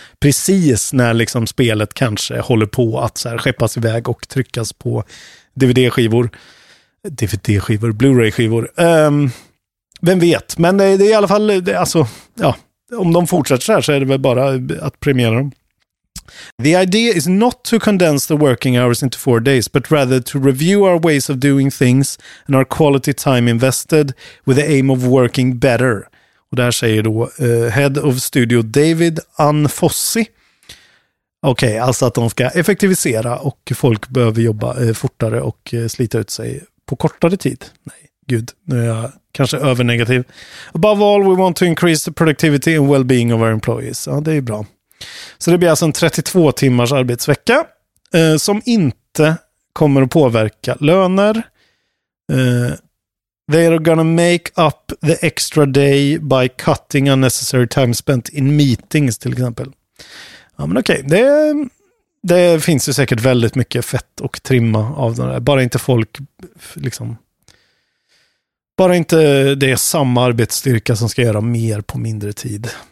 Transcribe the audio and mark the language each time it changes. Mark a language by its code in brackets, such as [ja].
[sv] Precis när liksom spelet kanske håller på att så här skeppas iväg och tryckas på DVD-skivor. DVD-skivor, Blu-ray-skivor. Vem vet? Men det är i alla fall, det, alltså, ja, om de fortsätter så här så är det väl bara att premiera dem. [en] "The idea is not to condense the working hours into 4 days, but rather to review our ways of doing things and our quality time invested with the aim of working better." [sv] Och där säger då [en] head of studio [sv] David Anfossi. Okej, alltså att de ska effektivisera och folk behöver jobba fortare och slita ut sig på kortare tid. Nej, gud, nu är jag kanske övernegativ. [en] "Above all, we want to increase the productivity and well-being of our employees." [sv] Ja, det är bra. Så det blir alltså en 32 timmars arbetsvecka som inte kommer att påverka löner. [en] "They are gonna make up the extra day by cutting unnecessary time spent in meetings," [sv] till exempel. Ja, men okej. Okay. Det finns ju säkert väldigt mycket fett och trimma av det där. Bara inte folk liksom, bara inte det är samma arbetsstyrka som ska göra mer på mindre tid.